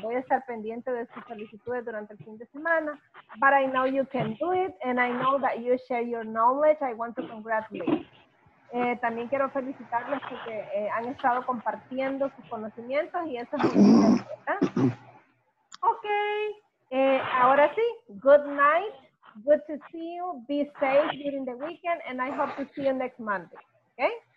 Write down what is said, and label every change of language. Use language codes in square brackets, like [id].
[es] Voy a estar pendiente de sus solicitudes durante el fin de semana. [en] But I know you can do it, and I know that you share your knowledge. I want to congratulate you. [es] También quiero felicitarlos porque han estado compartiendo sus conocimientos y eso es muy importante. [en] Ok, [es] ahora sí, [en] good night, good to see you, be safe during the weekend, and I hope to see you next Monday, ok?